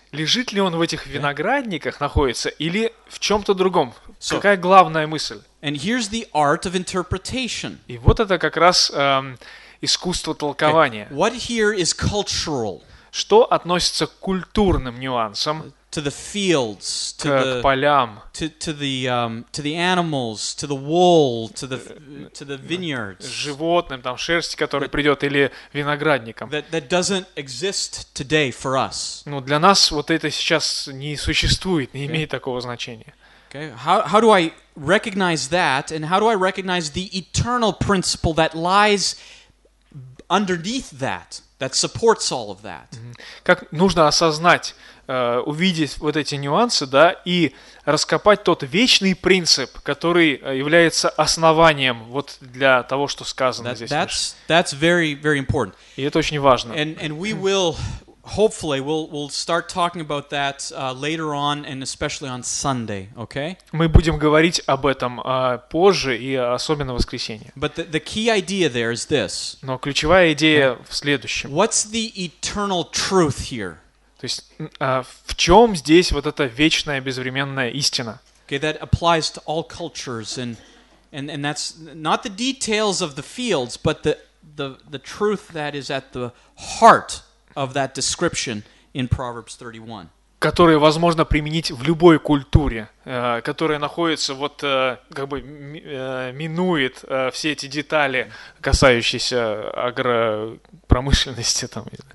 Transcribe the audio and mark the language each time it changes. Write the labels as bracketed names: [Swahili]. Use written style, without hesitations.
[Russian] Лежит ли он в этих виноградниках, находится, или в чем-то другом? Какая главная мысль? [English] And here's the art of interpretation. [Russian] И вот это как раз искусство толкования. [English] What here is cultural? [Russian] Что относится к культурным нюансам? [English] To the fields, to [Russian] к полям. [English] To the animals, to the wool, to the vineyards. [Russian] Животным, там, шерсти, которая придет, или виноградникам. [English] That doesn't exist today for us. [Russian] Ну, для нас вот это сейчас не существует, не имеет такого значения. [English] Okay. How do I recognize that, and how do I recognize the eternal principle that lies underneath that, that supports all of that? [Russian] Как нужно осознать, увидеть вот эти нюансы, да, и раскопать тот вечный принцип, который является основанием вот для того, что сказано здесь. [English] That's very, very important. [Russian] И это очень важно. [English] And we will, hopefully, we'll start talking about that later on, and especially on Sunday, okay? [Russian] Мы будем говорить об этом позже и особенно в воскресенье. [English] But the key idea there is this. [Russian] Но ключевая идея в следующем. [English] What's the eternal truth here? [Russian] То есть, в чем здесь вот эта вечная безвременная истина? [English] Okay, that applies to all cultures, and that's not the details of the fields, but the truth that is at the heart of that description in Proverbs 31. [Russian] Которые возможно применить в любой культуре, которая находится вот как бы минует все эти детали, касающиеся агропромышленности там.